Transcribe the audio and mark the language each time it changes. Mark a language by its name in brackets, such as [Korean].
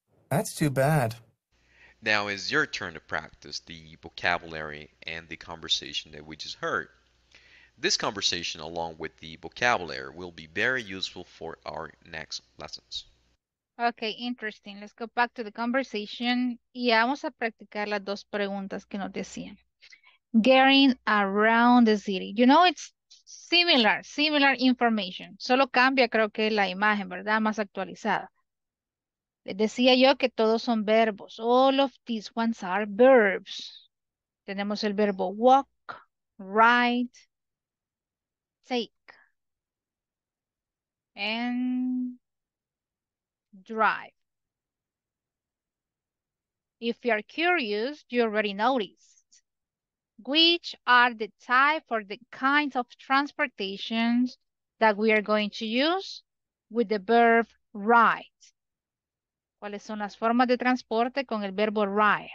[English] That's too bad. Now it's your turn to practice the vocabulary and the conversation that we just heard. This conversation, along with the vocabulary, will be very useful for our next lessons. Okay, interesting. Let's go back to the conversation. [Spanish] Y vamos a practicar las dos preguntas que nos decían. [English] Getting around the city. You know, it's similar information. [Spanish] Solo cambia, creo que la imagen, ¿verdad? Más actualizada. Les decía yo que todos son verbos. [English] All of these ones are verbs. [Spanish] Tenemos el verbo [English] walk, ride, take, and drive. If you are curious, you already noticed. Which are the type or the kinds of transportations that we are going to use with the verb ride? [Spanish] ¿Cuáles son las formas de transporte con el verbo ride?